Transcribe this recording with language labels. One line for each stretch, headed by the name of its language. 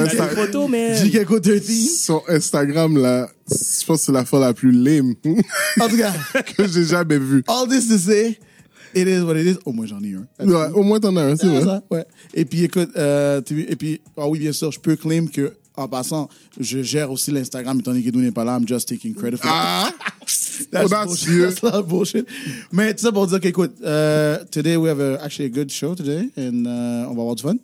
French: Instagram, là, je pense que c'est la fois la plus lame. En tout cas, que j'ai jamais vu.
English: All this to say, it is what it is.
French: Au moins, j'en ai un. Ouais, au moins, t'en as un, c'est vrai. Ça, ouais. Et puis, écoute, bien sûr, je peux claim que, en passant, je gère aussi l'Instagram, étant donné que Edwin n'est pas là,
English: I'm just taking credit for it. That's bullshit.
French: Mais tout ça pour dire qu'écoute,
English: today we have actually a good show today,
French: and on va avoir du fun.